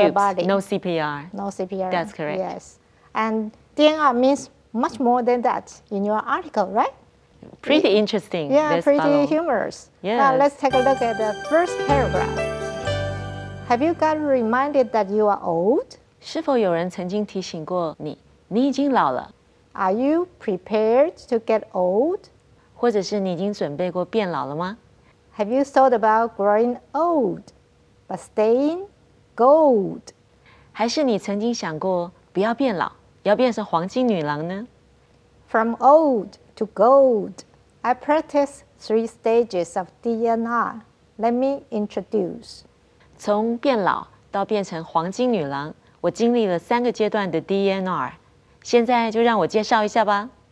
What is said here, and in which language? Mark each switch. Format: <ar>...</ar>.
<en>body. No CPR. No CPR. That's correct. Yes. And DNR means much more than that in your article, right? Pretty interesting. Yeah, pretty humorous. Yes. Now let's take a look at the first paragraph. Have you got reminded that you are old?</en> <zh>是否有人曾经提醒过你，你已经老了？</zh> <en>Are you prepared to get old?</en> <zh>或者是你已经准备过变老了吗？</zh> <en>Have you thought about growing old, but staying gold?</en> <zh>还是你曾经想过不要变老，要变成黄金女郎呢？</zh> <en>From old to gold, I practice 3 stages of DNR. Let me introduce.</en> <zh>从变老到变成黄金女郎，我经历了三个阶段的 DNR， 现在就让我介绍一下吧。</zh>